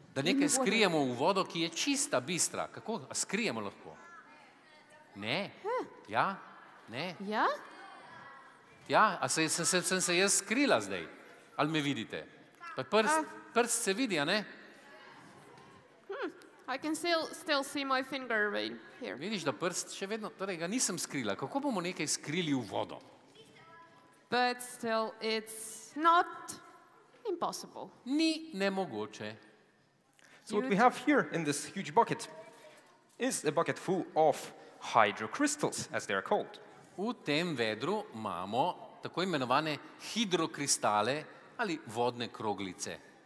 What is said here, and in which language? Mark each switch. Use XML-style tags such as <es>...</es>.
<sl>Da nekaj skrijemo v vodo, ki je čista, bistra. Kako skrijemo lahko? Ne. Huh. Ja. Ne. Ja? Ja, a sem se jaz skrila zdaj? Ali me vidite? Pa prst se vidi, a ne?</sl> <en>Hmm, I can still see my finger right here.</en> <sl>Vidiš, da prst še vedno, torej ga nisem skrila. Kako bomo nekaj skrili v vodo?</sl> <en>But still, it's not impossible.</en> <sl>Ni nemogoče.</sl> <en>So what we have here in this huge bucket is a bucket full of hydrocrystals, as they are called.</en> <sl>V tem vedru imamo tako imenovane hidrokristale ali vodne kroglice.</sl>